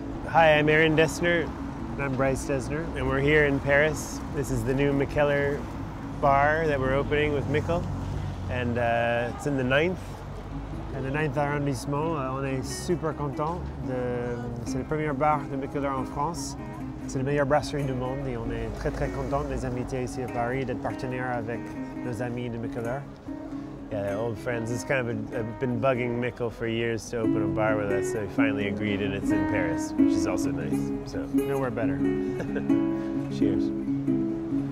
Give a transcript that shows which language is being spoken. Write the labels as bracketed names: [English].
[English] Hi, I'm Aaron Dessner, and I'm Bryce Dessner, and we're here in Paris. This is the new Mikkeller bar that we're opening with Mikkel, and it's in the 9th. And the 9th [French] arrondissement, on est super content. C'est le premier bar de Mikkeller en France. C'est la meilleure brasserie du monde et on est très très content de les inviter ici à Paris, d'être partenaire avec nos amis de Mikkeller. [English] Yeah, they're old friends. It's kind of been bugging Mikkel for years to open a bar with us, so he finally agreed and it's in Paris, which is also nice. So, nowhere better. Cheers.